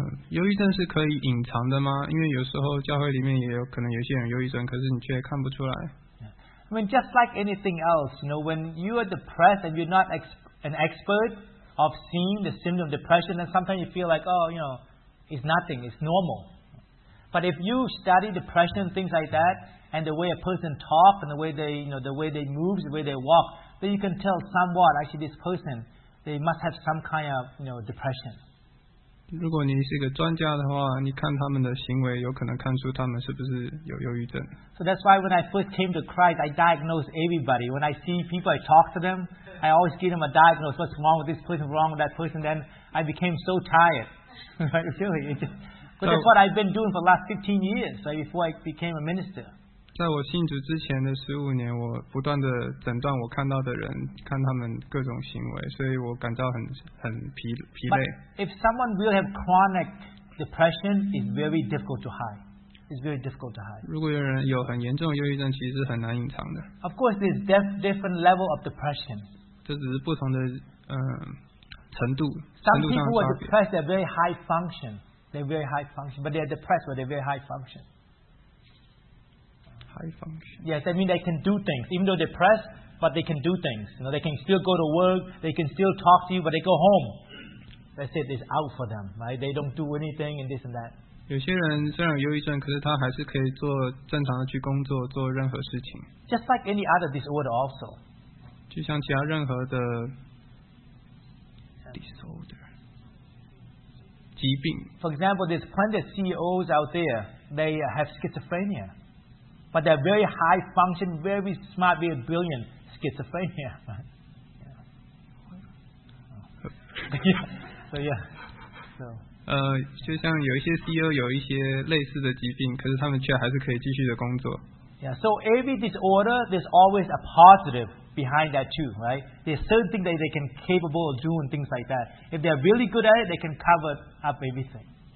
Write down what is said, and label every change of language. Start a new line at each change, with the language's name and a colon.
Chinese: 忧郁症是可以隐藏的吗？因为有时候教会里面也有可能有些人忧郁症，可是你却看不出来。
English: I mean, just like anything else, you know, when you are depressed and you're not an expert of seeing the symptom of depression, then sometimes you feel like, oh, you know, it's nothing, it's normal. But if you study depression and things like that, and the way a person talks and the way they, you know, the way they move, the way they walk, then you can tell somewhat actually this person, they must have some kind of, you know, depression.
Chinese: 如果你是一个专家的话，你看他们的行为，有可能看出他们是不是有忧郁症。
English: So that's why when I first came to Christ, I diagnosed everybody. When I see people, I talk to them. I always give them a diagnose. What's wrong with this person? Wrong with that person? Then I became so tired. Really, but that's what I've been doing for the last 15 years. So before I became a minister.
Chinese: 在我信主之前的15年，我不断的诊断我看到的人，看他们各种行为，所以我感到很疲累。
English: If someone will have chronic depression, it's very difficult to hide. It's very difficult to hide.
Chinese: 如果有人有很严重的忧郁症，其实很难隐藏的。
English: Of course, there's different level of depression.
Chinese: 这只是不同的程度。
English: Some people who are depressed, they're very high function. They're very high function, but they're depressed, but they're very high function. high function. Yes, that means they can do things. Even though they're depressed, but they can do things. You know, they can still go to work, they can still talk to you, but they go home. That's it, it's out for them, right? They don't do anything and this and that.
Chinese: 有些人虽然有忧郁症，可是他还是可以做正常的去工作，做任何事情。
English: Just like any other disorder also.
Chinese: 就像其他任何的 disorder 疾病。
English: For example, there's plenty of CEOs out there, they have schizophrenia. But they're very high function, very smart, very brilliant schizophrenia. Yeah. So yeah. So.
Chinese: 就像有一些 CEO 有一些类似的疾病，可是他们却还是可以继续的工作。
English: Yeah, so every disorder, there's always a positive behind that too, right? There's certain things that they can capable of doing, things like that. If they're really good at it, they can cover up everything.